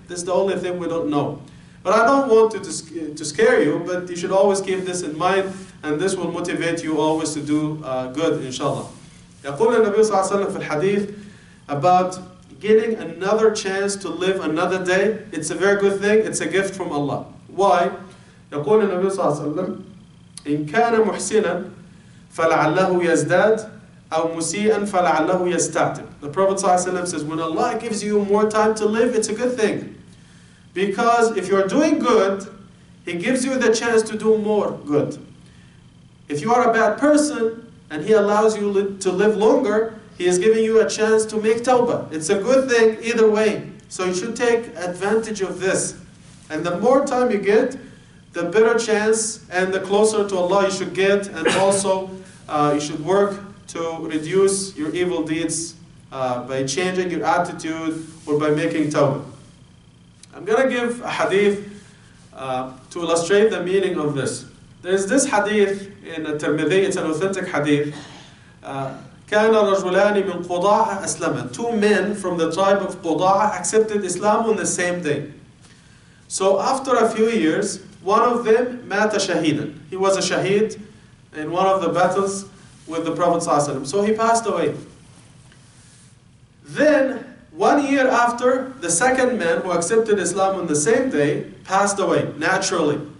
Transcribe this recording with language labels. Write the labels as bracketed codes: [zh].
[en] This is the only thing we don't know. But I don't want to scare you, but you should always keep this in mind, and this will motivate you always to do good, inshallah. [ar] يقول النبي صلى الله عليه وسلم في الحديث [en] about getting another chance to live another day. It's a very good thing. It's a gift from Allah. Why? [ar] يقول النبي صلى الله عليه وسلم إن كان محسنا فلعله يزداد أو مسيئا فلعله يستعتب. [en] The Prophet [ar] صلى الله عليه وسلم [en] says, when Allah gives you more time to live, it's a good thing. Because if you're doing good, He gives you the chance to do more good. If you are a bad person, and He allows you to live longer, He is giving you a chance to make tawbah. It's a good thing either way. So you should take advantage of this. And the more time you get, the better chance and the closer to Allah you should get. And also, you should work to reduce your evil deeds by changing your attitude or by making tawbah. I'm going to give a hadith to illustrate the meaning of this. There's this hadith in Tirmidhi, it's an authentic hadith. [ar] كان رجلان من قضاعة أسلما. [en] Two men from the tribe of قضاعة accepted Islam on the same day. So after a few years, one of them [ar] مات شهيدا. [en] He was a shaheed in one of the battles with the Prophet [ar] صلى الله عليه وسلم. [en] So he passed away. Then, 1 year after, the second man who accepted Islam on the same day passed away, naturally.